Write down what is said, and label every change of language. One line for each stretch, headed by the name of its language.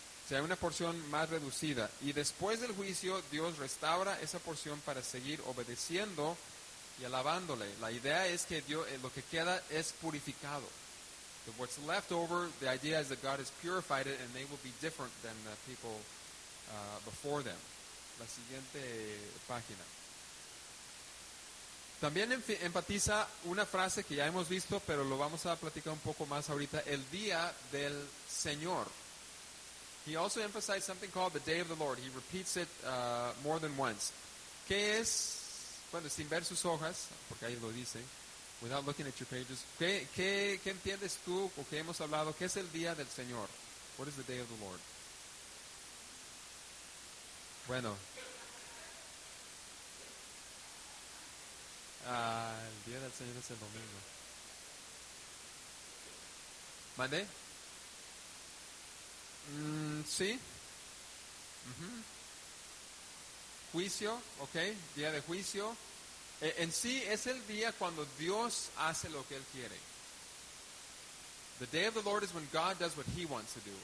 Spanish: Una porción más reducida. Y después del juicio, Dios restaura esa porción para seguir obedeciendo y alabándole. La idea es que Dios, lo que queda es purificado.
English: But what's left over, the idea is that God has purified it and they will be different than the people before them.
Spanish: La siguiente página. También enfatiza una frase que ya hemos visto, pero lo vamos a platicar un poco más ahorita. El día del Señor.
English: He also emphasized something called the day of the Lord. He repeats it more than once.
Spanish: ¿Qué es? Bueno, sin ver sus hojas, porque ahí lo dice.
English: Without looking at your pages.
Spanish: ¿Qué entiendes tú o qué hemos hablado? ¿Qué es el día del Señor?
English: What is the day of the Lord?
Spanish: Bueno. El día del Señor es el domingo. ¿Mande? Sí. Juicio, ok. Día de juicio. En sí, es el día cuando Dios hace lo que Él quiere.
English: The day of the Lord is when God does what He wants to do.